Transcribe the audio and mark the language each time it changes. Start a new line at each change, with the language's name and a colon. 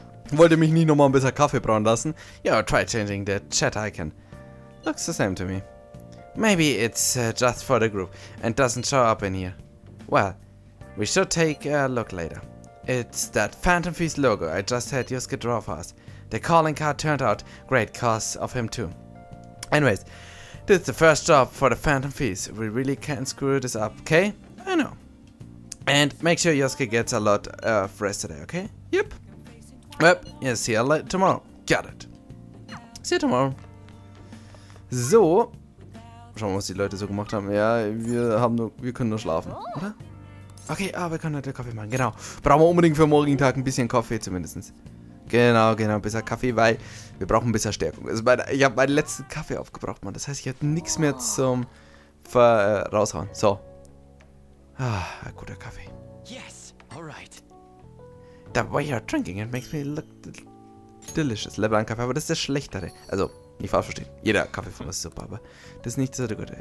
German: Wollte mich nie nochmal ein bisschen Kaffee brauen lassen.
English: Yo, try changing the chat icon. Looks the same to me. Maybe it's just for the group and doesn't show up in here. Well, we should take a look later. It's that Phantom Thieves logo I just had Yusuke draw for us. The calling card turned out great cause of him too. Anyways, this is the first job for the Phantom Thieves. We really can't screw this up, okay? I know. And make sure Yusuke gets a lot of rest today, okay? Yep. Yep, you'll see you later tomorrow. Got it. See you tomorrow. So.
German: Schauen wir, was die Leute so gemacht haben. Ja, wir können nur schlafen, oder? Okay, ah, wir können heute Kaffee machen, genau. Brauchen wir unbedingt für morgigen Tag ein bisschen Kaffee zumindest. Genau, genau, besser Kaffee, weil wir brauchen besser Stärkung. Also ich habe meinen letzten Kaffee aufgebraucht, Mann. Das heißt, ich habe nichts mehr zum raushauen. So. Ah, ein guter Kaffee.
English: Yes, alright. The way you're drinking, it makes me look delicious.
German: Level 1 Kaffee, aber das ist der schlechtere. Also, nicht falsch verstehen. Jeder Kaffee von mir ist super, aber das ist nicht so der gute.